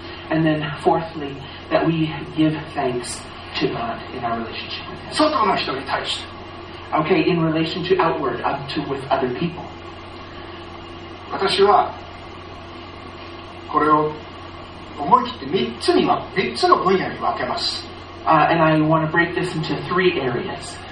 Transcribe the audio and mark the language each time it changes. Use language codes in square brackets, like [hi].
[en] And then fourthly, that we give thanks to God in our relationship with Him. [ja] 外の人に対して。 [en] Okay, in relation to outward, up to with other people. [ja] 私はこれを思い切って三つの分野に分けます。 [en] And I want to break this into three areas.